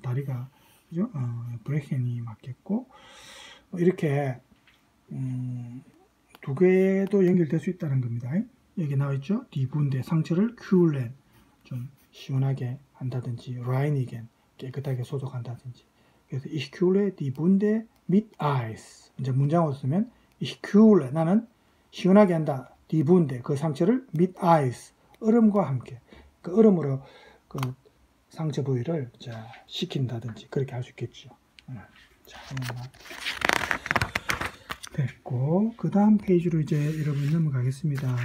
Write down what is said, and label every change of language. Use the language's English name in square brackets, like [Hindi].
[Korean] 다리가, 그죠? brechen이 맞겠고. 뭐 이렇게, 두 개도 연결될 수 있다는 겁니다. 여기 나와있죠? 디군데, 상처를 kühlen, 좀 시원하게 한다든지, reinigen, 깨끗하게 소독한다든지. 그래서 [German] ich kühle die Wunde mit Eis. [Korean] 이제 문장으로 쓰면 [German] ich kühle, [Korean] 나는 시원하게 한다. [German] die Wunde, [Korean] 그 상처를 [German] mit Eis, [Korean] 얼음과 함께. 그 얼음으로 그 상처 부위를 자, 식힌다든지 그렇게 할 수 있겠죠. 자, 됐고 그 다음 페이지로 이제 여러분 넘어가겠습니다.